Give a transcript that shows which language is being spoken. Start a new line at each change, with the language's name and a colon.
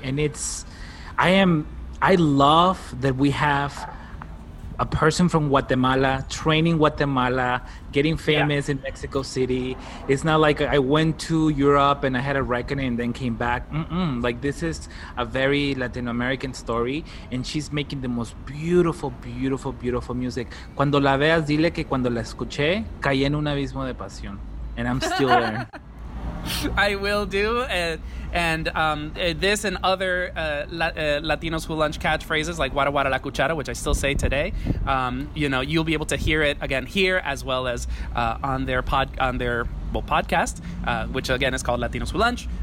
English: And it's, I love that we have a person from Guatemala, training Guatemala, getting famous in Mexico City. It's not like I went to Europe and I had a reckoning and then came back. Mm-mm. Like, this is a very Latin American story, and she's making the most beautiful, beautiful, beautiful music.
Spanish: Cuando la veas, dile que cuando la escuché, caí en un abismo de pasión.
English: And I'm still there. I will do. This and other Latinos Who Lunch catchphrases like
Spanish: Guara Guara La Cuchara,
English: which I still say today, you know, you'll be able to hear it again here as well as on their podcast, which again is called Latinos Who Lunch.